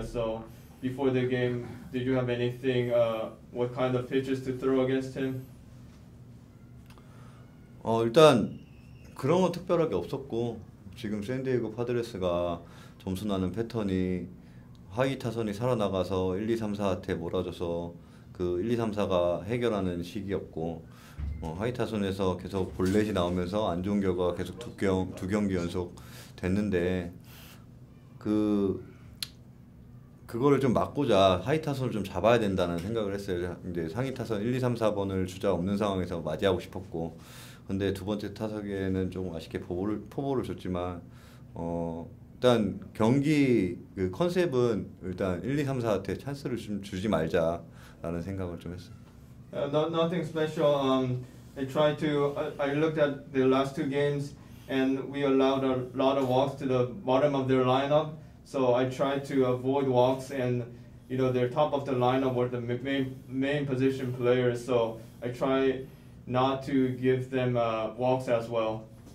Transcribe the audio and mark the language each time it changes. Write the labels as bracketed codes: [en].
[en] So before the game, did you have anything? What kind of pitches to throw against him? [ko] 일단 그런 건 특별하게 없었고 지금 샌디에이고 파드레스가 점수 나는 패턴이 하위 타선이 살아나가서 1, 2, 3, 4한테 몰아줘서 그 1, 2, 3, 4가 해결하는 시기였고. 하이타선에서 계속 볼넷이 나오면서 안 좋은 결과 계속 두 경기 연속 됐는데 그거를 좀 막고자 하이타선을 좀 잡아야 된다는 생각을 했어요. 이제 상위타선 1, 2, 3, 4번을 주자 없는 상황에서 맞이하고 싶었고 근데 두 번째 타석에는 좀 아쉽게 포볼을 줬지만 일단 경기 그 컨셉은 일단 1, 2, 3, 4한테 찬스를 좀 주지 말자라는 생각을 좀 했어요. [en] Nothing special. I tried to. I looked at the last two games, and we allowed a lot of walks to the bottom of their lineup. So I tried to avoid walks, and you know their top of the lineup were the main position players. So I try not to give them walks as well.